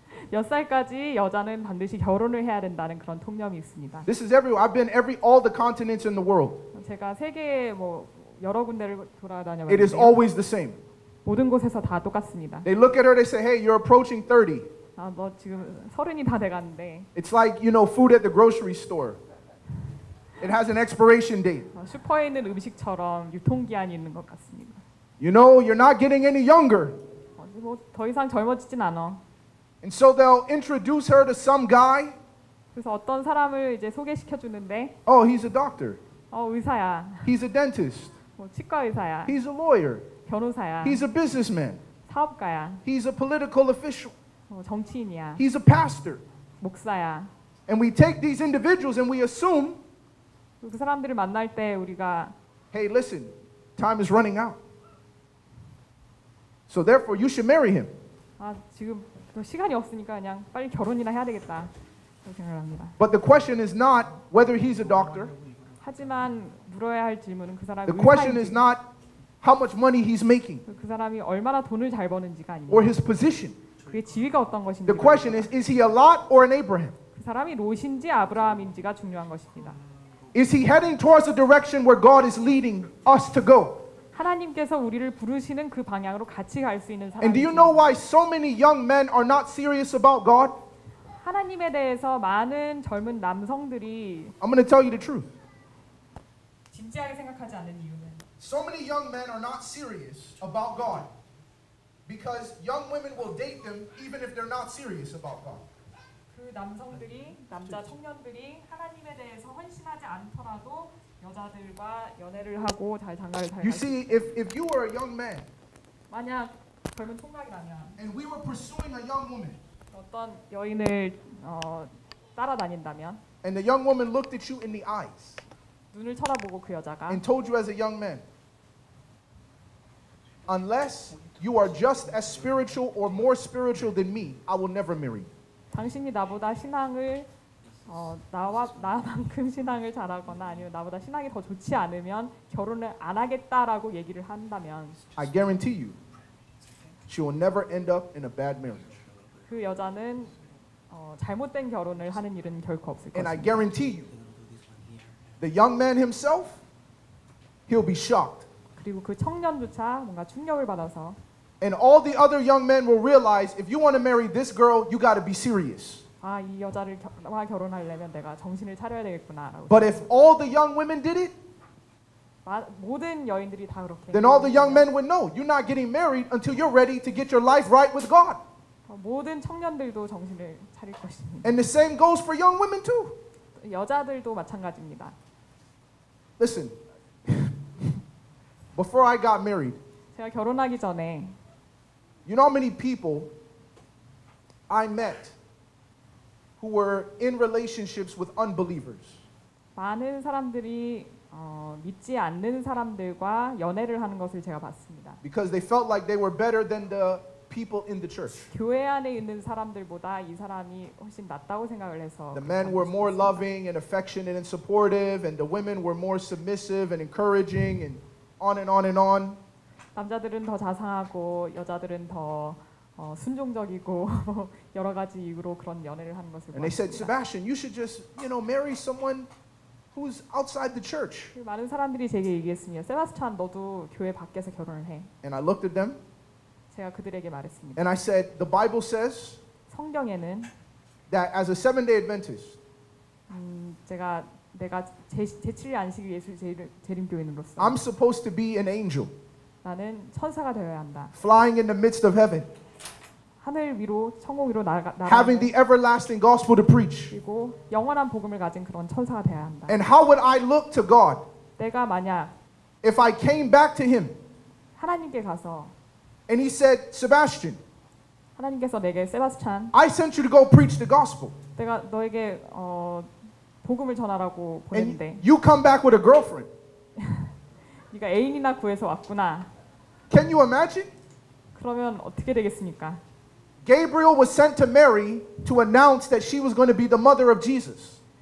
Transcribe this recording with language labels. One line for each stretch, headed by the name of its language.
Korean: 몇 살까지 여자는 반드시 결혼을 해야 된다는 그런 통념이 있습니다.
English: This is everywhere. I've been every all the continents in the world.
Korean: 제가 세계에 뭐 여러 군데를 돌아다녀요.
English: It is always the same.
Korean: 모든 곳에서 다 똑같습니다.
English: They look at her they say, "Hey, you're approaching 30."
Korean: 아, 너 지금 서른이 다 돼 갔는데.
English: It's like, you know, food at the grocery store. It has an expiration date.
Korean: 슈퍼에 있는 음식처럼 유통기한이 있는 것 같습니다.
English: You know, you're not getting any younger.
Korean: 뭐 더 이상 젊어지진 않아.
English: And so they'll introduce her to some guy.
Korean: 그래서 어떤 사람을 이제 소개시켜 주는데.
English: Oh, he's a doctor.
Korean: 의사야.
English: He's a dentist.
Korean: 치과 의사야.
English: He's a lawyer.
Korean: 변호사야.
English: He's a businessman.
Korean: 사업가야.
English: He's a political official.
Korean: 정치인이야.
English: He's a pastor.
Korean: 목사야.
English: And we take these individuals and we assume.
Korean: 그 사람들을 만날 때 우리가.
English: Hey, listen. Time is running out. So therefore, you should marry him.
Korean: 아 지금. 시간이 없으니까 그냥 빨리 결혼이나 해야 되겠다 생각합니다.
English: But the question is not whether he's a doctor.
Korean: 하지만 물어야 할 질문은 그 사람이
English: The question is not how much money he's making.
Korean: 그 사람이 얼마나 돈을 잘 버는지가 아니에요.
English: Or his position.
Korean: 그의 지위가 어떤 것인지.
English: The question is he a Lot or an Abraham?
Korean: 그 사람이 롯인지 아브라함인지가 중요한 것입니다.
English: Is he heading towards the direction where God is leading us to go?
Korean: 하나님께서 우리를 부르시는 그 방향으로 같이 갈 수 있는 사람.
English: And do you know why so many young men are not serious about God?
Korean: 하나님에 대해서 많은 젊은 남성들이
English: I'm going to tell you the truth.
Korean: 진지하게 생각하지 않는 이유는
English: So many young men are not serious about God because young women will date them even if they're not serious about God.
Korean: 그 남성들이 남자 청년들이 하나님에 대해서 헌신하지 않더라도 여자들과 연애를 하고 잘 장가를 잘
English: You see, if you were a young man,
Korean: 만약 젊은 총각이라면,
English: and we were pursuing a young woman,
Korean: 어떤 여인을 따라다닌다면,
English: and the young woman looked at you in the eyes,
Korean: 눈을 쳐다보고 그 여자가,
English: and told you as a young man, unless you are just as spiritual or more spiritual than me, I will never marry.
Korean: 당신이 나보다 신앙을 나만큼 신앙을 잘하거나 아니면 나보다 신앙이 더 좋지 않으면 결혼을 안 하겠다라고 얘기를 한다면
English: I guarantee you she will never end up in a bad marriage.
Korean: 그 여자는 잘못된 결혼을 하는 일은 결코 없을 것입니다.
English: And I guarantee you the young man himself he'll be shocked.
Korean: 그리고 그 청년조차 뭔가 충격을 받아서
English: And all the other young men will realize if you want to marry this girl you got to be serious.
Korean: 아, 이 여자를와 결혼하려면 내가 정신을 차려야 되겠구나라고.
English: But if all the young women did it,
Korean: 모든 여인들이 다 그렇게.
English: Then all the young men would know you're not getting married until you're ready to get your life right with God.
Korean: 모든 청년들도 정신을 차릴 것입니다.
English: And the same goes for young women too.
Korean: 여자들도 마찬가지입니다.
English: Listen, before I got married,
Korean: 제가 결혼하기 전에,
English: you know how many people I met. Who were in relationships with unbelievers?
Korean: 많은 사람들이 믿지 않는 사람들과 연애를 하는 것을 제가 봤습니다.
English: Because they felt like they were better than the people in the church.
Korean: 교회 안에 있는 사람들보다 이 사람이 훨씬 낫다고 생각을 해서.
English: The men were more loving and affectionate and supportive, and the women were more submissive and encouraging, and on and on and on.
Korean: 남자들은 더 자상하고 여자들은 더 순종적이고 여러 가지 이유로 그런 연애를 하는 것을 And 보았습니다.
English: They said, Sebastian, you should just, you know, marry someone who's outside the church.
Korean: 많은 사람들이 제게 얘기했습니다. 세바스찬, 너도 교회 밖에서 결혼을 해.
English: And I looked at them.
Korean: 제가 그들에게 말했습니다.
English: And I said, the Bible says
Korean: 성경에는
English: that as a seven-day Adventist,
Korean: 제가 내가 제7일 안식일 예수 재림교인으로서
English: I'm supposed to be an angel.
Korean: 나는 천사가 되어야 한다.
English: Flying in the midst of heaven.
Korean: 하늘 위로 천국 위로 나아가
English: Having the everlasting gospel to preach.
Korean: 그리고 영원한 복음을 가진 그런 천사가 되어야 한다.
English: And how would I look to God?
Korean: 내가 만약
English: If I came back to him.
Korean: 하나님께 가서
English: And he said, "Sebastian."
Korean: 하나님께서 내게 세바스찬
English: I sent you to go preach the gospel.
Korean: 내가 너에게 복음을 전하라고 보냈는데
English: And you come back with a girlfriend.
Korean: 네가 애인이나 구해서 왔구나.
English: Can you imagine?
Korean: 그러면 어떻게 되겠습니까?
English: Gabriel was sent to Mary to announce that she was going to be the mother of Jesus.